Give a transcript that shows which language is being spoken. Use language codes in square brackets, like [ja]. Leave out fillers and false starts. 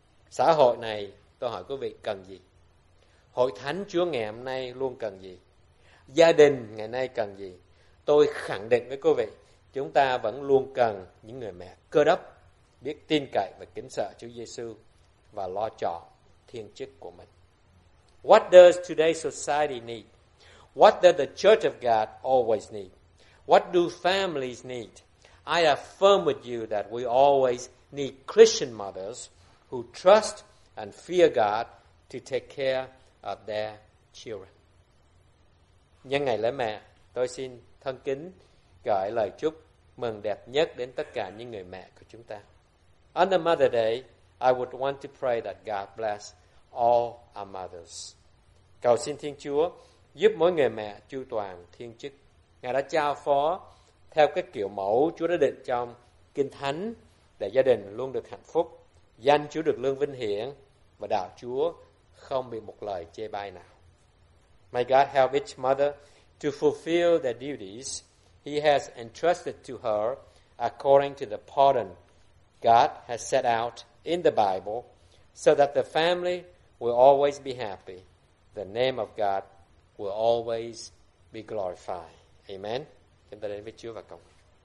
[vi] Xã hội này, tôi hỏi quý vị cần gì? Hội thánh Chúa ngày hôm nay luôn cần gì? Gia đình ngày nay cần gì? Tôi khẳng định với quý vị, chúng ta vẫn luôn cần những người mẹ cơ đốc biết tin cậy và kính sợ Chúa Giê-xu và lo chọn thiên chức của mình. [en] What does today's society need? What does the Church of God always need? What do families need? I affirm with you that we always need Christian mothers who trust and fear God to take care of their children. [vi] Nhân ngày lễ mẹ, tôi xin thân kính gửi lời chúc mừng đẹp nhất đến tất cả những người mẹ của chúng ta. [en] On the Mother Day, I would want to pray that God bless all our mothers. [vi] Cầu xin Thiên Chúa giúp mỗi người mẹ chu toàn thiên chức. Ngài đã trao phó theo cái kiểu mẫu Chúa đã định trong Kinh Thánh để gia đình luôn được hạnh phúc, danh Chúa được lương vinh hiển và đạo Chúa không bị một lời chê bai nào. [en] May God help each mother to fulfill the duties He has entrusted to her according to the pattern God has set out in the Bible, so that the family will always be happy, the name of God will always be glorified. Amen. [vi] Chúng ta đến với Chúa và cầu nguyện.